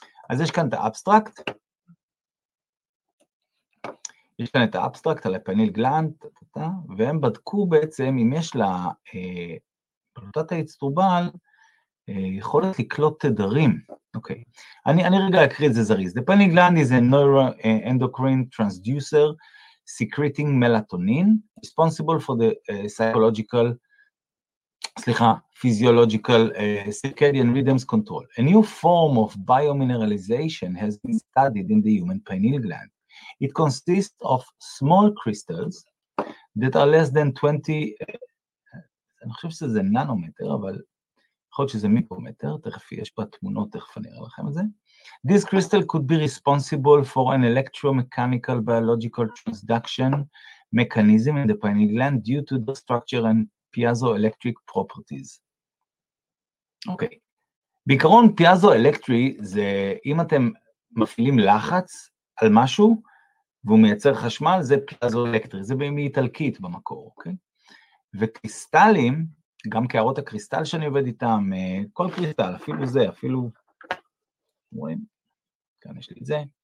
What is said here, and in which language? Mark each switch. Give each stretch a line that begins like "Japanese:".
Hebrew: אז יש כאן את האבסטרקט, יש כאן את האבסטרקט על הפניל גלנד, והם בדקו בעצם אם יש לה, בלוטת האצטרובל, יכולת לקלוט תדרים, אוקיי, אני רגע אקריא את זה זריז,
English: the pineal gland is a neuroendocrine transducer secreting melatonin, responsible for the psychological,
Hebrew: סליחה,
English: physiological circadian rhythms control. A new form of biomineralization has been studied in the human pineal gland. It consists of small crystals that are less than 20,
Hebrew: אני חושב שזה ננומטר, אבל... יכול להיות שזה מיקרומטר, תכף יש פה תמונות, תכף אני אראה לכם את זה.
English: This crystal could be responsible for an electromechanical biological transduction mechanism in the pineal gland due to the structure and piezoelectric properties.
Hebrew: אוקיי. בעיקרון פיאזו-אלקטרי זה אם אתם מפעילים לחץ על משהו והוא מייצר חשמל, זה פיאזו-אלקטרי, זה בימי איטלקית במקור, אוקיי? וקריסטלים... גם קערות הקריסטל שאני עובד איתם, כל קריסטל, אפילו זה, אפילו, רואים? כאן יש לי את זה.